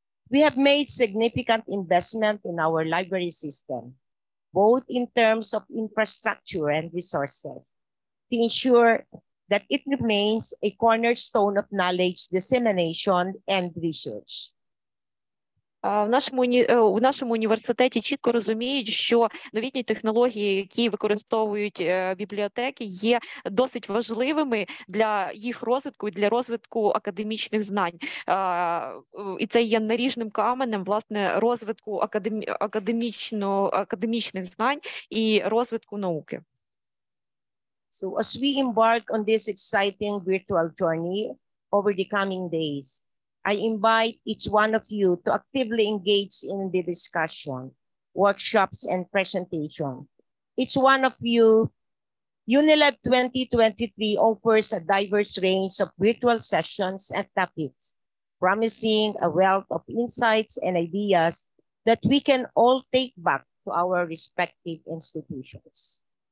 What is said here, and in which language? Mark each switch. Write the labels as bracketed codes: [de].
[en] We have made significant investment in our library system, both in terms of infrastructure and resources, to ensure that it remains a cornerstone of knowledge dissemination and research. [uk] В нашому університеті чітко розуміють, що новітні технології, які використовують бібліотеки, є досить важливими для їх розвитку і для розвитку академічних знань. І це є наріжним каменем, власне, розвитку академічних знань і розвитку науки. [en] So as we embark on this exciting virtual journey over the coming days, I invite each one of you to actively engage in the discussion, workshops, and presentation. Each one of you, UniLab 2023 offers a diverse range of virtual sessions and topics, promising a wealth of insights and ideas that we can all take back to our respective institutions.